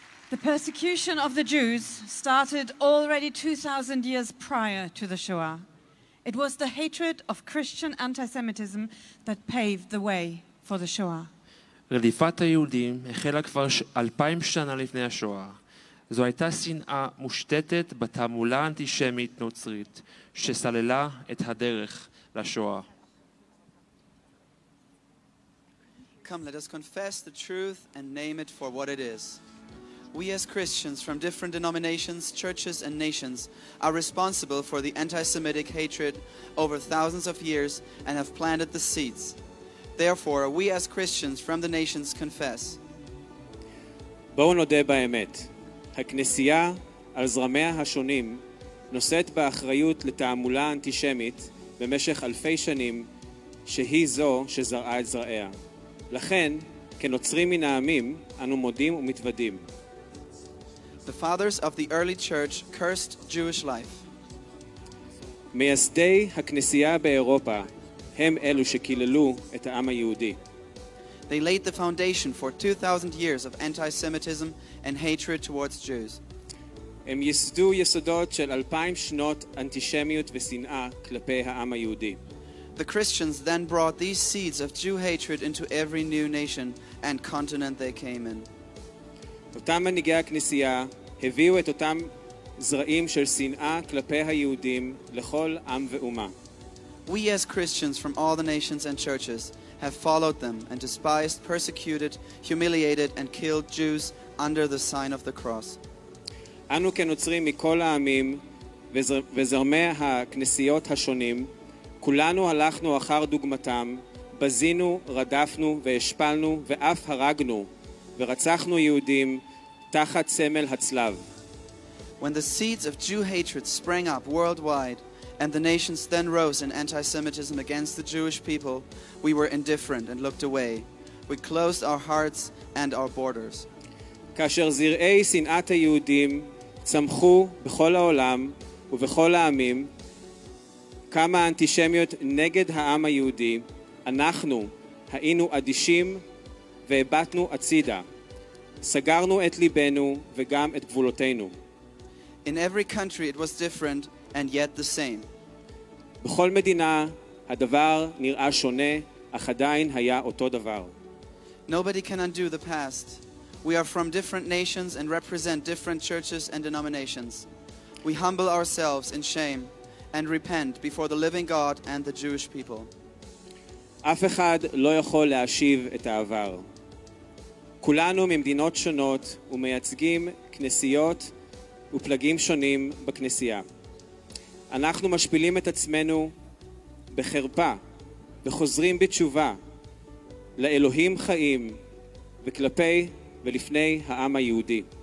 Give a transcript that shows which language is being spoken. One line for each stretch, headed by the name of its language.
English: The persecution of the Jews started already 2,000 years prior to the Shoah. It was the hatred of Christian anti-Semitism that paved the way for the Shoah.
Hebrew: רדיפת היהודים החלה כבר 2,000 שנה לפני השואה. זו הייתה שנאה מושתתת בתעמולה אנטישמית נוצרית שסללה את הדרך לשואה.
English: Come, let us confess the truth and name it for what it is. We as Christians from different denominations, churches, and nations are responsible for the anti-Semitic hatred over thousands of years and have planted the seeds. Therefore, we as Christians from the nations confess.
Hebrew: בואו נודה באמת. הכנסייה על זרמיה השונים נושאת באחריות לתעמולה אנטישמית במשך אלפי שנים שהיא זו שזרעה את זרעיה. לכן, כנוצרים מן העמים, אנו מודים ומתוודים.
English: The fathers of the early church cursed Jewish life.
Hebrew: מייסדי הכנסייה באירופה הם אלו שקיללו את העם היהודי.
English: They laid the foundation for 2,000 years of anti-Semitism and hatred towards Jews.
Hebrew: הם ייסדו יסודות של 2,000 שנות אנטישמיות ושנאה כלפי העם היהודי.
English: The Christians then brought these seeds of Jew hatred into every new nation and continent they came in.
Hebrew: אותם מנהיגי הכנסייה הביאו את אותם זרעים של שנאה כלפי היהודים לכל עם ואומה.
English: We as Christians from all the nations and churches have followed them and despised, persecuted, humiliated and killed Jews under the sign of the cross.
Hebrew: אנו כנוצרים מכל העמים וזרמי הכנסיות השונים, כולנו הלכנו אחר דוגמתם, בזינו, רדפנו והשפלנו ואף הרגנו. ורצחנו יהודים תחת סמל הצלב.
English: When the seeds of Jew hatred sprang up worldwide and the nations then rose in anti-Semitism against the Jewish people, we were indifferent and looked away. We closed our hearts and our borders.
Hebrew: כאשר זרעי שנאת היהודים צמחו בכל העולם ובכל העמים, כמה אנטישמיות נגד העם היהודי, אנחנו היינו אדישים והבטנו הצידה, סגרנו את ליבנו וגם את גבולותינו.
English: In every country it was different and yet the same.
Hebrew: בכל מדינה הדבר נראה שונה, אך עדיין היה אותו דבר.
English: Nobody can undo the past. We are from different nations and represent different churches and denominations. We humble ourselves in shame and repent before the living God and the Jewish people.
Hebrew: אף אחד לא יכול להשיב את העבר. כולנו ממדינות שונות ומייצגים כנסיות ופלגים שונים בכנסייה. אנחנו משפילים את עצמנו בחרפה וחוזרים בתשובה לאלוהים חיים וכלפי ולפני העם היהודי.